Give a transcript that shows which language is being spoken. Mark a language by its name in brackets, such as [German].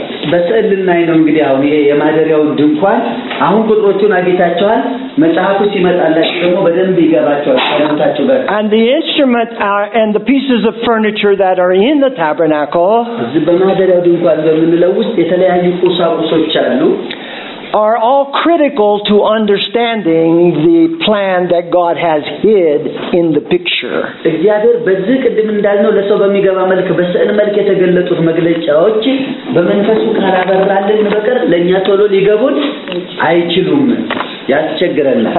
[Amharic] በስዕልና ነው እንግዲህ አሁን ይሄ የማደሪያው ድንኳን አሁን ቁጥሮቹን አግኝታችኋል መጽሐፉ ሲመጣላችሁ ደግሞ በደንብ ይገባችኋል ከመጣችሁ በር [English] and the instrument are and the pieces of furniture that are in the tabernacle [Amharic] በማደሪያው ድንኳን በሚለው ውስጥ የተለያዩ ቁሳቁሶች አሉ [English] are all critical to understanding the plan that God has hid in the picture. [Amharic] እግዚአብሔር በዚህ ቅድም እንዳልነው ለሰው በሚገባ መልኩ በስዕል መልክ የተገለጡት መግለጫዎች በመንፈሱ ካላበራልን በቀር ለኛ ቶሎ ሊገቡን አይችሉም ያስቸግረናል.